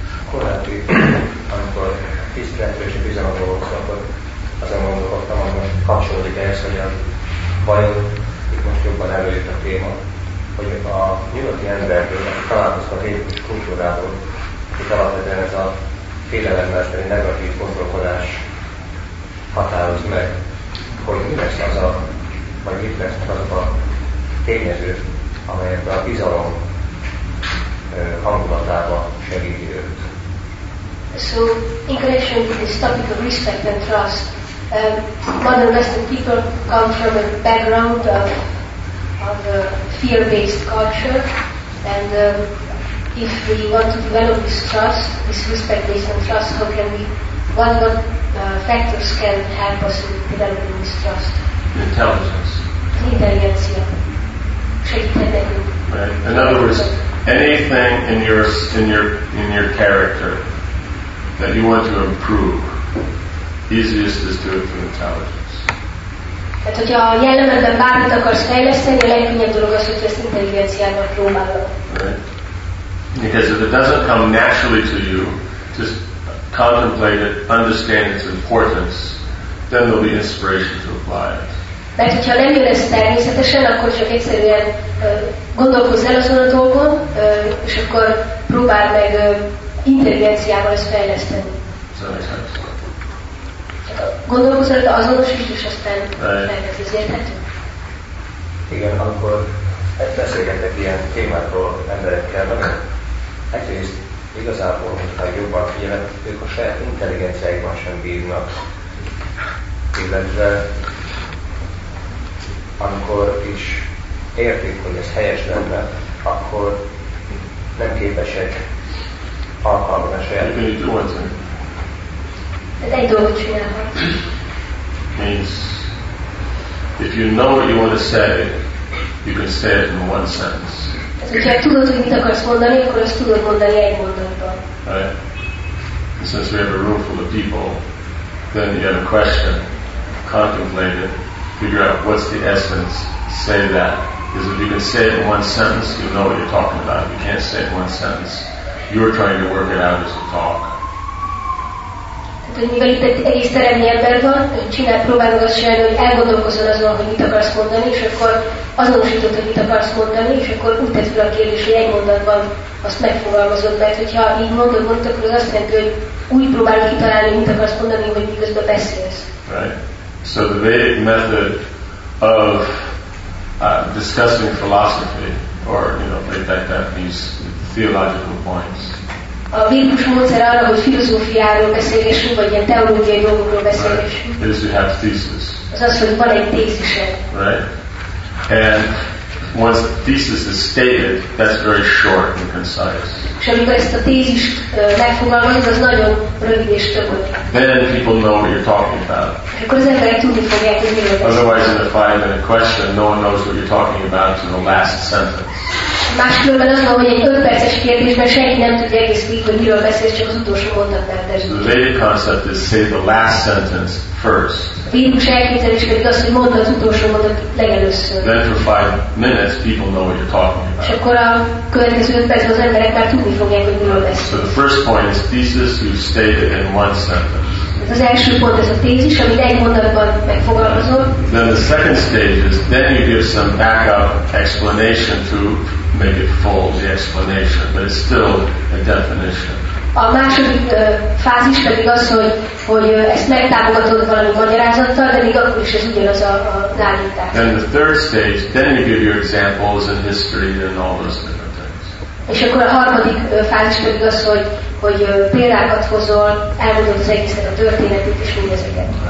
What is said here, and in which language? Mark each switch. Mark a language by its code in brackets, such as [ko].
[hu] Korábbi, amikor tiszteletről és bizalomról volt, akkor azon gondolkodtam, hogy most kapcsolódik ehhez, hogy a vajon itt most jobban előjött a téma, hogy a nyugati emberből, aki találkoztak egy kultúrából, itt alapvetően ez a félelemmel teli negatív gondolkodás határoz meg, hogy mi lesz az a, vagy mit lesz az a tényező, amelyek a bizalom hangulatába segíti őt. [en] So, in connection with this topic of respect and trust, modern Western people come from a background of a fear-based culture, and if we want to develop this trust, this respect-based and trust, how can we, what factors can help us in developing this trust? Intelligence. [hu] Intelligencia. [en] Right. In other words, anything in your character that you want to improve, easiest is to do it through intelligence. [hu] Tehát, hogyha a jellemedben bármit akarsz fejleszteni, a legkönnyebb dolog az, hogy ezt intelligenciának próbálod. [en] Because if it doesn't come naturally to you, just contemplate it, understand its importance, then there'll be inspiration to apply it. [hu] Mert hogyha nem jön ez természetesen, akkor csak egyszerűen gondolkozz el azon a dolgon, és akkor próbáld meg intelligenciával ezt fejleszteni. Gondolkozz el azonosítsd, és aztán fejleszteni. Igen, akkor beszélgetek ilyen témákról emberekkel, egyrészt igazából, hogyha jobban figyelek, ők a saját intelligenciáikban sem bírnak, illetve amikor is értik, hogy ez helyes lenne, akkor nem képesek alkalmazni a saját. Egy dolgot csinálhat. [en] Means, if you know what you want to say, you can say it in one sentence. Right? And since we have a room full of people, then you have a question, contemplate it, figure out what's the essence, say that. Because if you can say it in one sentence, you'll know what you're talking about. If you can't say it in one sentence, you're trying to work it out as a talk. [hu] Hogy mivel itt egy egész teremnyi ember van, csinál, próbálod azt csinálni, hogy elgondolkozol azon, hogy mit akarsz mondani, és akkor azonosítod, hogy mit akarsz mondani, és akkor úgy tett fel a kérdés, hogy egy mondatban azt megfogalmazod, mert hogyha így mondod, akkor az azt jelenti, hogy úgy próbálod kitalálni, mit akarsz mondani, hogy miközben beszélsz. [en] Right. So the Vedic method of discussing philosophy, or, you know, things like that, these theological points, [hu] a védikus módszer arra, hogy filozófiáról beszélgessünk, vagy ilyen teológiai dolgokról beszélgessünk. [en] Right. It is to have thesis. [hu] Az az, hogy van egy tézise. [en] Right. And once the thesis is stated, that's very short and concise. [hu] És amikor ezt a tézist megfogalmazod, az nagyon rövid és tömör. [en] Then people know what you're talking about. [hu] Akkor az emberek tudni fogják, hogy miről beszélsz. [en] Otherwise, in a 5-minute question, no one knows what you're talking about to the last sentence. [hu] Máskülönben az van, hogy egy 5 perces kérdésben senki nem tudja egész végig, hogy miről beszélsz, csak az utolsó mondatát terjed. [en] The Vedic concept is say the last sentence first. [hu] A védikus elképzelés pedig az, hogy mondd az utolsó mondat legelőször. [en] Then for 5 minutes, people know what you're talking about. [hu] És akkor a következő 5 percben az emberek már tudni fogják, hogy miről beszélsz. [en] So the first point is thesis, you state it in one sentence. [hu] Az első pont ez a tézis, amit egy mondatban megfogalmazol. [en] Then the second stage is, then you give some backup explanation to make it full, the explanation, but it's still a definition. [hu] A második fázis pedig az, hogy ezt megtámogatod valami magyarázattal, de még akkor is ez ugyanaz a állítás. [en] Then the third stage, then you give your examples and history and all those things. [hu] És akkor a harmadik fázis pedig az, hogy példákat hozol, elmondod az egészet, a történetét és mindezeket.